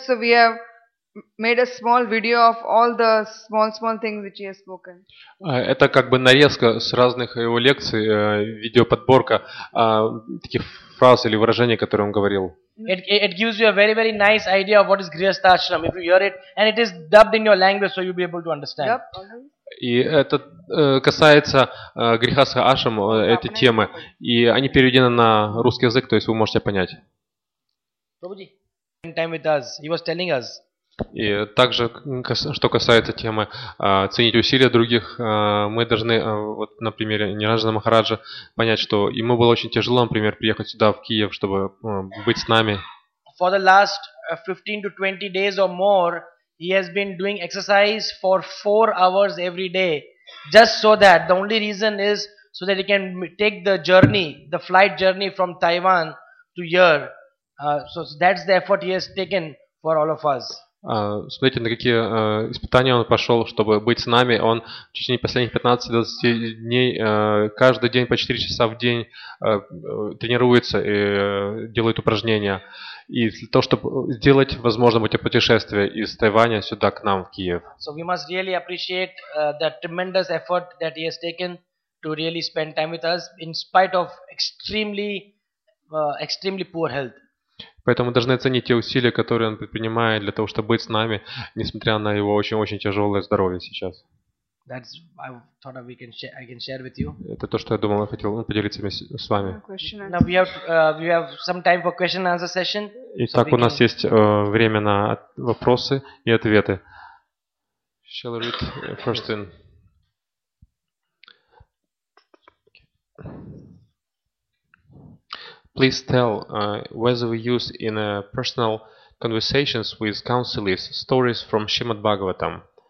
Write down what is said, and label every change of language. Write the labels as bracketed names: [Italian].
[English] So we have made a small video of all the small things which he has spoken. [Russian] Это как бы нарезка с разных его лекций, видеоподборка таких фраз или выражений, которые он говорил. [English] It gives you a very very nice idea of what is Grihastha Ashram if you hear it, and it is dubbed in your language, so you'll be able to understand. Yep. Uh-huh. [Russian] И это касается Грихастха Ашрам, этой темы, и они переведены на русский язык, то есть вы можете понять. [English] Time with us. He was telling us. [Russian] И также, что касается темы ценить усилия других, мы должны, вот, на примере Ниранджана Махараджа, понять, что ему было очень тяжело, например, приехать сюда, в Киев, чтобы быть с нами. [English] For the last 15 to 20 days or more, he has been doing exercise for 4 hours every day, just so that, the only reason is, so that he can take the journey, the flight journey from Taiwan to here. So that's the effort he has taken for all of us. [Russian] Смотрите, на какие испытания он пошел, чтобы быть с нами. Он в течение последних 15-20 дней, каждый день по 4 часа в день тренируется и делает упражнения. И для того, чтобы сделать, возможно, эти путешествия из Тайваня сюда к нам, в Киев. [English] So we must really appreciate the tremendous effort that he has taken to really spend time with us in spite of extremely poor health. [Russian] Поэтому должны оценить те усилия, которые он предпринимает для того, чтобы быть с нами, несмотря на его очень-очень тяжелое здоровье сейчас. [English] That's, I thought we can share, I can share with you. [Russian] Это то, что я думал, я хотел поделиться с вами. [English] Now we have some time for question and answer session. [Russian] Итак, [English] so [Russian] у нас [English] can... [Russian] есть время на вопросы и ответы. [English] Shall I read first in? Please tell whether we use in personal conversations with counselors stories from Srimad Bhagavatam.